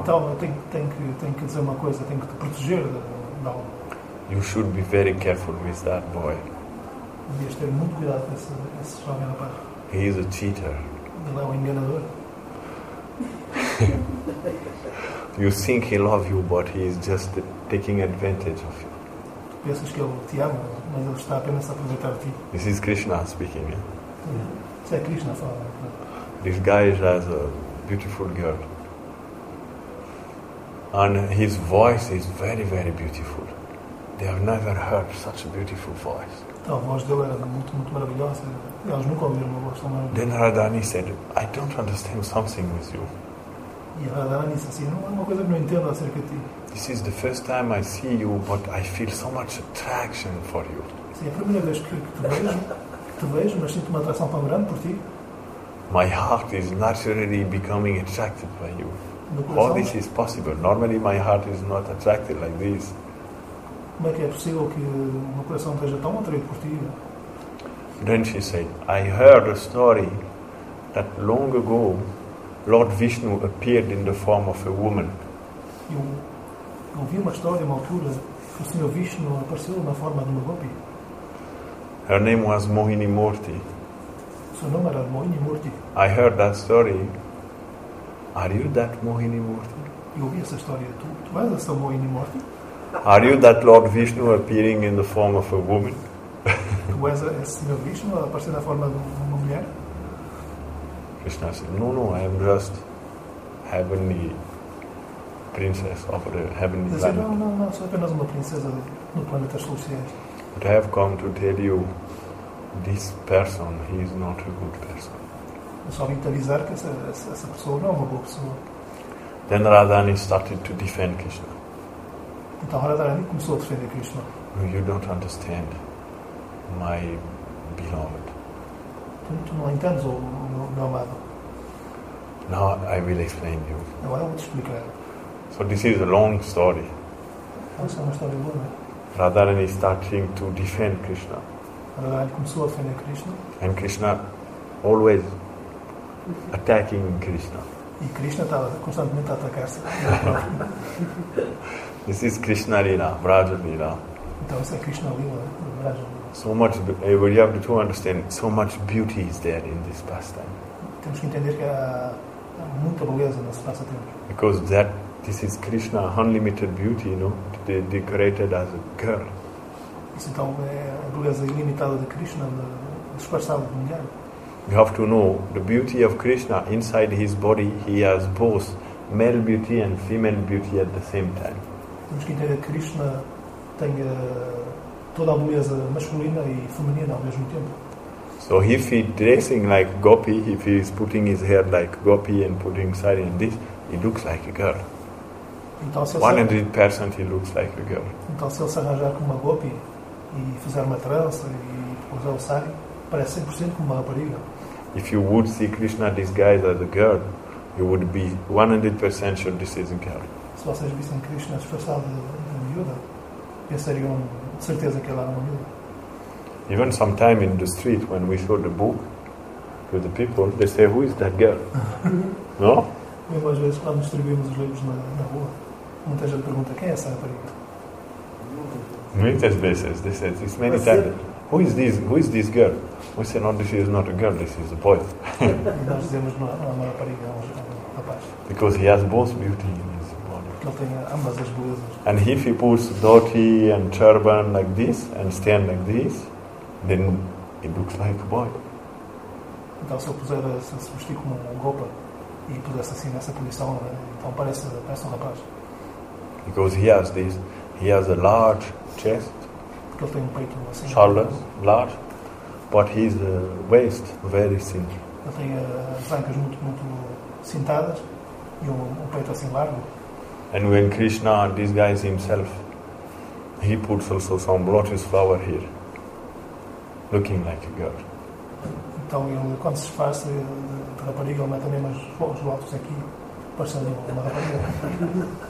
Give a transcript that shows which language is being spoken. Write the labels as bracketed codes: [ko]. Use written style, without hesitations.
[pt] Então eu tenho que dizer uma coisa, tenho que te proteger de algo. [en] You should be very careful with that boy. [pt] Devias ter muito cuidado com esse jovem rapaz. [en] He is a cheater. [pt] Ele é um enganador. [en] You think he loves you, but he is just taking advantage of you. [pt] Tu pensas que ele te ama, mas ele está apenas a aproveitar de ti. [en] This is Krishna speaking. Yeah? [pt] Isso é Krishna falando. [en] This guy has a beautiful girl. And his voice is very, very beautiful. They have never heard such a beautiful voice. [pt] Então, a voz dele era muito, muito maravilhosa. Elas nunca ouviram uma voz tão maravilhosa. [en] Then Radhani said, I don't understand something with you. [pt] E a Radhani disse assim, não é uma coisa que não entendo acerca de ti. [en] This is the first time I see you, but I feel so much attraction for you. [pt] Sim, é a primeira vez que te vejo, mas sinto uma atração tão grande por ti. [en] My heart is naturally becoming attracted by you. All this is possible. Normally my heart is not attracted like this. [pt] Como é que é possível que uma coração esteja tão atraído por ti? [en] Then she said, I heard a story that long ago Lord Vishnu appeared in the form of a woman. [pt] Eu ouvi uma história em uma altura que o Senhor Vishnu apareceu na forma de uma gopi. [en] Her name was Mohini Murti. [pt] Seu nome era Mohini Murti. [en] I heard that story. Are you that Mohini Murti? [pt] Eu ouvi essa história. Tu és essa Mohini Murti? [en] Are you that Lord Vishnu appearing in the form of a woman? [pt] Tu és esse Senhor Vishnu aparecer na forma de uma mulher? [en] Krishna said, no, I am just heavenly princess of the heavenly planet. [pt] Não, sou apenas uma princesa do planeta celestial. [en] But I have come to tell you, this person, he is not a good person. [pt] Eu só vim te avisar que essa pessoa não é uma boa pessoa. [en] Then Radhani started to defend Krishna. [pt] Então Radhani começou a defender Krishna. [en] You don't understand, my beloved. [pt] Tu não entendes, meu amado. [en] Now I will explain you. [pt] Agora eu vou te explicar. [en] So this is a long story. [pt] Essa é uma história longa. [en] Radharani is starting to defend Krishna. [pt] Radharani começou a defender Krishna. [en] And Krishna always attacking Krishna. [pt] E Krishna estava constantemente a atacar-se. [en] This is Krishna Lila, Braja Lila. [pt] Então isso é Krishna Lila, Braja Lila. [en] So much, we have to understand, so much beauty is there in this pastime. [pt] Temos que entender que há muita beleza nesse passatempo. [en] Because this is Krishna, unlimited beauty, you know, decorated as a girl. [pt] Isso então é a beleza ilimitada de Krishna, disfarçada de mulher. [en] You have to know the beauty of Krishna inside his body. He has both male beauty and female beauty at the same time. [pt] Temos que entender que Krishna tem toda a beleza masculina e feminina ao mesmo tempo. [en] So if he's dressing like Gopi, if he's putting his hair like Gopi and putting sari and this, he looks like a girl. [pt] Então, [en] 100% he looks like a girl. [pt] Então se ele se arranjar com uma Gopi e fizer uma trança e usar o sari, parece 100% como uma rapariga. [en] If you would see Krishna disguised as a girl, you would be 100% sure this is a girl. [pt] Se vocês vissem Krishna disfarçado de miúda, pensariam de certeza que ela era uma miúda. [en] Even sometime in the street when we show the book to the people, they say, who is that girl? No? [pt] Mesmo às vezes quando distribuímos os livros na rua, muita gente pergunta, quem é essa rapariga? Muitas vezes, [en] they say, it's many times. Who is this girl? We say, no, this is not a girl, this is a boy. [pt] Nós dizemos, não é uma rapariga, é um rapaz. [en] Because he has both beauty in his body. [pt] Porque ele tem ambas as belezas. [en] And if he puts dhoti and turban like this, and stand like this, then it looks like a boy. [pt] Então se ele puser, se vestir como um roupa e pudesse assim nessa posição, então parece um rapaz. [en] Because he has this, he has a large chest. [pt] Porque ele tem um peito assim. [en] Shoulders, large. But his waist, very thin. [pt] Ele tem as ancas muito, muito cintadas e um peito assim largo. [en] And when Krishna disguises himself, he puts also some lotus flower here. Looking like a girl. [pt] Então ele, quando se disfarça de rapariga, ele mete mesmo os lotos aqui, parecendo uma rapariga.